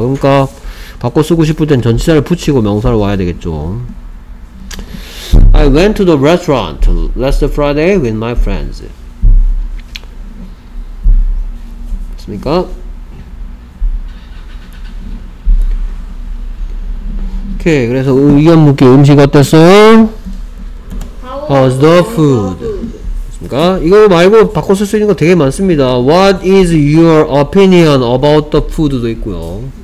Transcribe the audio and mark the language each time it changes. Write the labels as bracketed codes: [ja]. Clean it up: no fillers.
[ko] 그러니까 바꿔 쓰고 싶을 땐 전치사를 붙이고 명사를 와야 되겠죠. [en] I went to the restaurant last Friday with my friends. [ko] 맞습니까? 오케이, 그래서 의견 묻기 음식 어땠어요? [en] How's the food? [ko] 맞습니까? 이거 말고 바꿔 쓸 수 있는 거 되게 많습니다. [en] What is your opinion about the food도 있고요.